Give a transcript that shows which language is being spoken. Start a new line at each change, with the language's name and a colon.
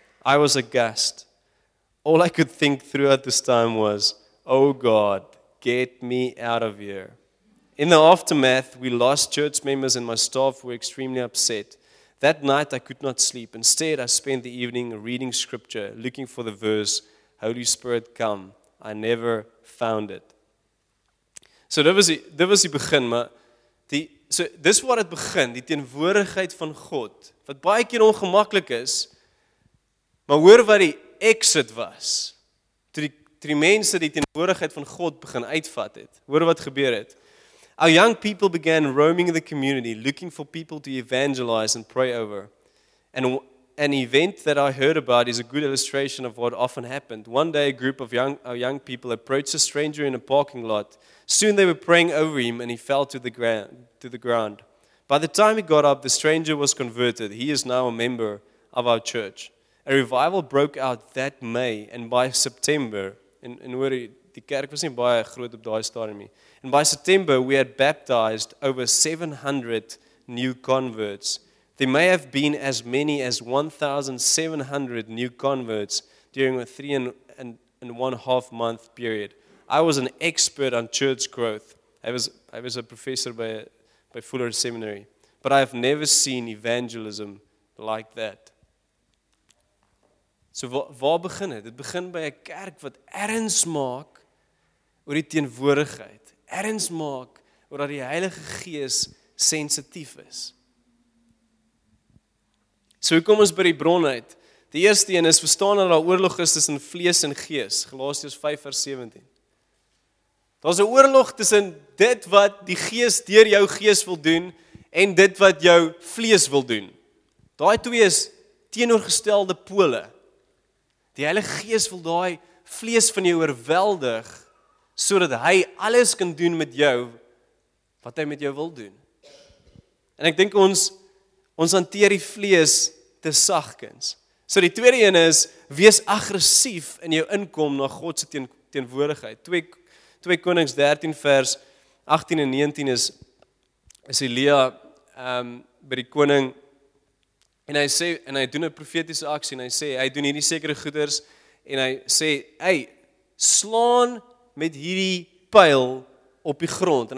English: I was aghast. All I could think throughout this time was, oh God, get me out of here. In the aftermath, we lost church members and my staff were extremely upset. That night I could not sleep. Instead, I spent the evening reading scripture, looking for the verse, Holy Spirit, come. I never found it.
Afrikaans: So dit was die begin, maar dis waar dit begin, die teenwoordigheid van God, wat baie keer ongemaklik is, maar hoor wat die exit was, toe die mense die teenwoordigheid van God begin uitvat het. Hoor wat gebeur het.
English: Our young people began roaming the community, looking for people to evangelize and pray over. And an event that I heard about is a good illustration of what often happened. One day, a group of young people approached a stranger in a parking lot. Soon, they were praying over him, and he fell to the ground. By the time he got up, the stranger was converted. He is now a member of our church. A revival broke out that May, and by September, and by September, we had baptized over 700 new converts. There may have been as many as 1,700 new converts during a 3.5 month period. I was an expert on church growth. I was a professor by Fuller Seminary, but I have never seen evangelism like that.
Afrikaans: So waar begin dit? Dit begin by 'n kerk wat erns maak oor die teenwoordigheid. Erns maak oor dat die Heilige Gees sensitief is. So hoe kom ons by die bron uit? Die eerste een is verstaan dat daar oorlog is tussen vlees en gees. Galasiërs 5:17. Daar's 'n oorlog tussen dit wat die Gees deur jou gees wil doen en dit wat jou vlees wil doen. Daai twee is teenoorgestelde pole. Die Heilige Gees wil daai vlees van jou oorweldig sodat hy alles kan doen met jou wat hy met jou wil doen. En ek dink ons hanteer die vlees te sagkens. So die tweede een is wees aggressief in jou inkom na God se teenwoordigheid. 2 Konings 13 vers 18 en 19 is Elia by die koning En hy doen 'n profetiese aksie en hy sê, hy doen hierdie sekere goeders en hy sê, hey, slaan met hierdie pyl op die grond.